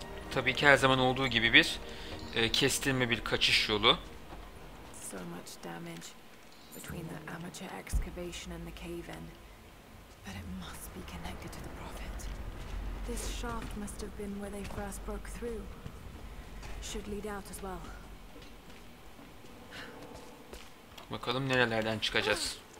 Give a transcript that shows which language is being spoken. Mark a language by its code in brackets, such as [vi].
[tr] Tabii ki her zaman olduğu gibi bir kestirme, bir kaçış yolu. [en] So much damage between the amateur excavation and the cave-in, but it must be connected to the prophet. This shaft must have been where they first broke through. Should lead out as well. [tr] Bakalım nerelerden çıkacağız.